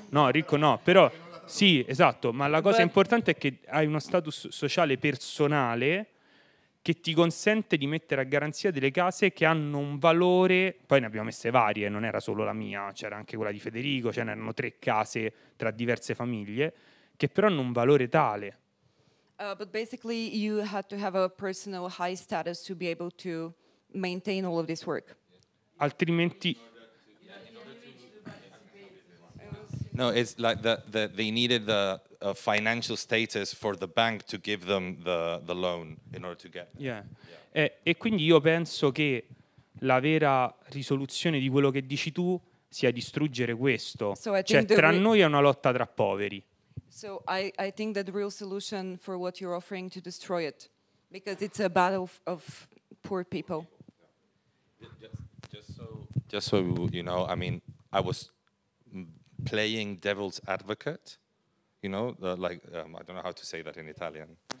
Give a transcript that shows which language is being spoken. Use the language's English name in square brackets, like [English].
[Italian] Ricco no, però sì, esatto, ma la cosa importante è che hai uno status sociale personale che ti consente di mettere a garanzia delle case che hanno un valore, poi ne abbiamo messe varie, non era solo la mia, c'era anche quella di Federico, ce n'erano tre case tra diverse famiglie, che però hanno un valore tale. [English] But basically you had to have a personal high status to be able to maintain all of this work. [Italian] Altrimenti... [English] No, it's like that they needed the financial status for the bank to give them the loan in order to get that. Yeah. [Italian] E quindi io penso che la vera risoluzione di quello che dici tu sia distruggere questo. [English] So [Italian] cioè, tra noi è una lotta tra poveri. [English] So I think that the real solution for what you're offering to destroy it, because it's a battle of poor people. Just so you know, I mean, I was playing devil's advocate, you know, I don't know how to say that in Italian.